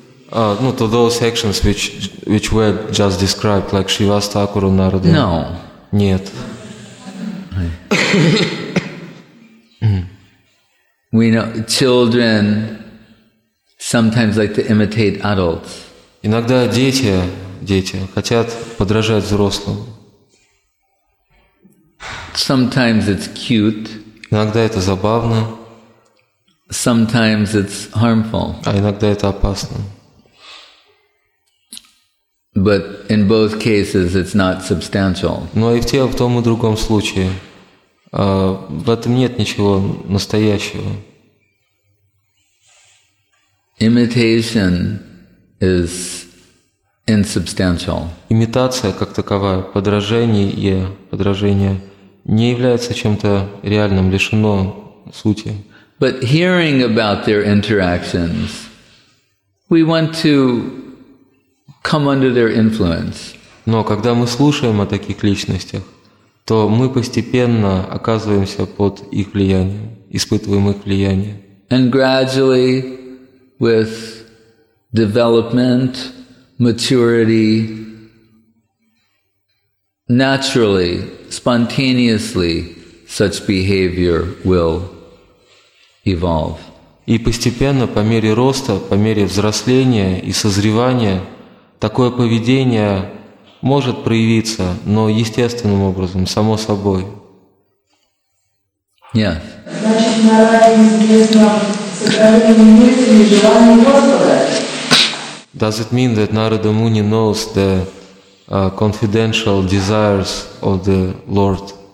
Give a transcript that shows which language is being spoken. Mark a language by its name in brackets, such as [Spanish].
[English] To those actions which were just described, like Shivas Thakur or Narada. No. [Russian] Нет. [English] We know children sometimes like to imitate adults. [Russian] Иногда дети хотят подражать взрослым. [English] Sometimes it's cute. [Russian] Иногда это забавно. [English] Sometimes it's harmful. [Russian] А иногда это опасно. [English] But in both cases, it's not substantial. [Russian] Но и в том и другом случае в этом нет ничего настоящего. [English] Imitation is insubstantial. [Russian] Имитация как таковая, подражение не является чем-то реальным, лишено сути. [English] But hearing about their interactions, we want to come under their influence. [Russian] Но когда мы слушаем о таких личностях, то мы постепенно оказываемся под их влиянием, испытываем их влияние. [English] And gradually, with development, maturity, naturally, spontaneously, such behavior will evolve. [Russian] И постепенно, по мере роста, по мере взросления и созревания, такое поведение может проявиться, но естественным образом, само собой. [English] Yes. [Russian] Значит, на рай неизвестно сокровенные мысли и желания Господа. [English] Does it mean that Narada Muni knows the confidential desires of the Lord?